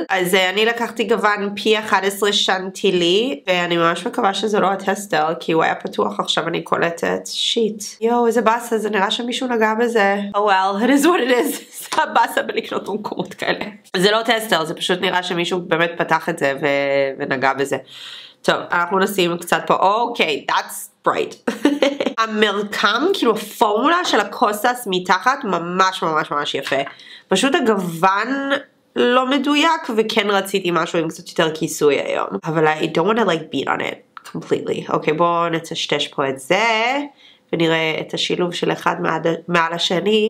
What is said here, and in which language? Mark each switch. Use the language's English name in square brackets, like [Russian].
[Hebrew] אז אני לקחתי גוון P11 שנטילי, ואני ממש מקווה שזה לא הטסטר, כי הוא היה פתוח, עכשיו אני קולטת. שיט. יואו, איזה בסה, זה נראה שמישהו נגע בזה. [English] Oh well, it is what it is. [Hebrew] זה הבסה בלקנות במקומות כאלה. זה לא טסטר, זה פשוט נראה שמישהו באמת פתח את זה ונגע בזה. טוב, אנחנו נשים קצת פה. אוקיי, [English] that's bright. [Hebrew] המרקם, כאילו הפורמולה של הקוסס מתחת, ממש ממש ממש יפה. פשוט הגוון לא מדויק, וכן רציתי משהו עם קצת יותר כיסוי היום. אבל [English] I don't want to like beat on it completely. [Hebrew] אוקיי, בואו נטשטש פה את זה, ונראה את השילוב של אחד מעל השני.